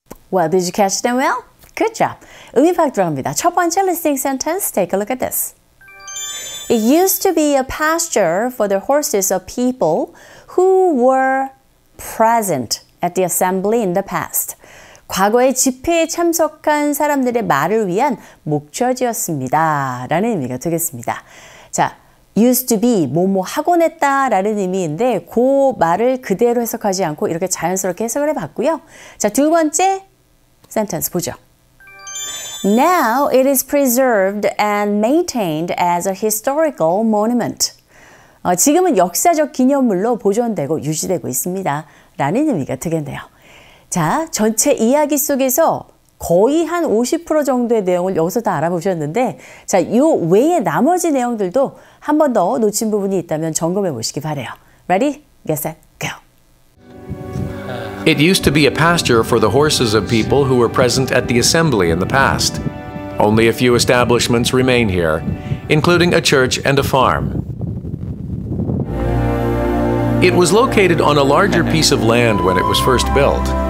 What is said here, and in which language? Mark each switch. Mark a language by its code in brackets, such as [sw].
[en] Well, did you catch them well? Good job. [ko] 의미 파악 들어갑니다. 첫 번째 [en] listening sentence, take a look at this. It used to be a pasture for the horses of people who were present at the assembly in the past. [ko] 과거에 집회에 참석한 사람들의 말을 위한 목처지였습니다. 라는 의미가 되겠습니다. 자, [en] used to be, [ko] 뭐뭐 하곤 했다 라는 의미인데 그 말을 그대로 해석하지 않고 이렇게 자연스럽게 해석을 해봤고요. 자, 두 번째 sentence 보죠. [en] Now it is preserved and maintained as a historical monument. [ko] 지금은 역사적 기념물로 보존되고 유지되고 있습니다. 라는 의미가 되겠네요. 자, 전체 이야기 속에서 거의 한 50% 정도의 내용을 여기서 다 알아보셨는데 자, 요 외에 나머지 내용들도 한 번 더 놓친 부분이 있다면 점검해 보시기 바래요. [en] Ready? Get set. It used to be a pasture for the horses of people who were present at the assembly in the past. Only a few establishments remain here, including a church and a farm. It was located on a larger piece of land when it was first built.